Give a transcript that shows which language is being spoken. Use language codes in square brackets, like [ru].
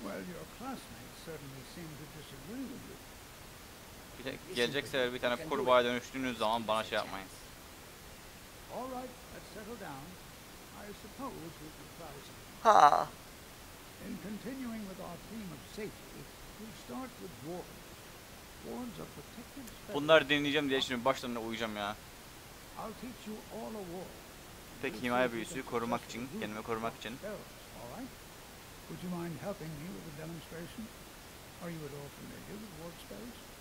[en] Well, your classmates certainly seem to disagree with you. [tr] Bir de gelecek sefer bir tane kurbağa dönüştüğünüz zaman bana şey yapmayın. [en] All right, let's settle down. I suppose we could try something. Ha. In continuing with our theme of safety, we start with wards. Wards are protected spells. [tr] Bunları dinleyeceğim diye şimdi başlarına uyuyacağım ya. [en] I'll teach you all a ward. [tr] Peki, himaye büyüsü korumak için, kendimi korumak için. [en] All right. Would you mind helping me with a demonstration? Are you at all familiar with ward spells?